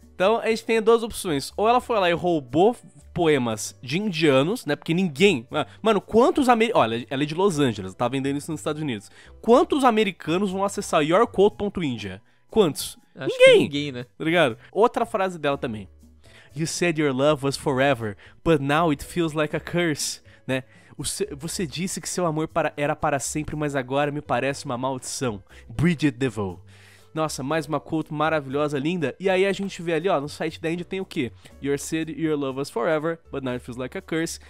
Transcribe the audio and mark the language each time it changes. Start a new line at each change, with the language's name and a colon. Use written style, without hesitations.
Portuguese: Então a gente tem duas opções. Ou ela foi lá e roubou poemas de indianos, né? Porque ninguém... Mano, quantos americanos... Olha, ela é de Los Angeles, tá vendendo isso nos Estados Unidos. Quantos americanos vão acessar yourquote.india? Quantos? Acho ninguém! Acho que ninguém, né? Tá ligado? Outra frase dela também.
English: You said your love was forever, but now it feels like a curse, né?
Portuguese: Você disse que seu amor era para sempre, mas agora me parece uma maldição. Bridget DeVoe. Nossa, mais uma quote maravilhosa, linda. E aí a gente vê ali, ó, no site da Indy tem o quê?
English: Your said your love was forever, but now it feels like a curse.